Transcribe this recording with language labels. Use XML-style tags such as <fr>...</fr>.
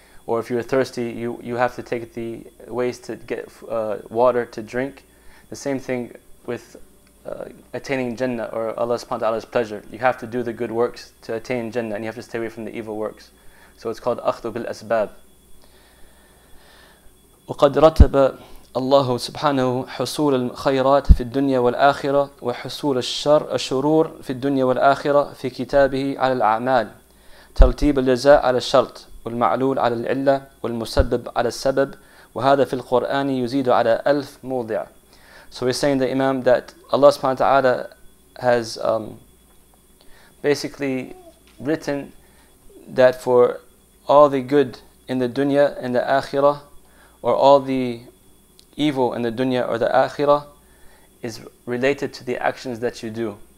<en>Or if you're thirsty, you have to take the ways to get water to drink. The same thing with attaining Jannah or Allah subhanahu wa ta'ala's pleasure. You have to do the good works to attain Jannah, and you have to stay away from the evil works. So it's called</en> <ar>أخذ بالأسباب. وقد رتب الله سبحانه حصول الخيرات في الدنيا والآخرة وحصول الشر الشرور في الدنيا والآخرة في كتابه على الأعمال ترتيب الجزاء على الشرط والمعلول على العلة والمسبب على السبب وهذا في القرآن يزيد على ألف موضع.</ar> <en>So he's saying the Imam that Allah</en> <ar>سبحانه وتعالى</ar> <en>has basically written that for all the good in the dunya and the akhirah, or all the evil in the dunya or the akhirah, is related to the actions that you do.</en>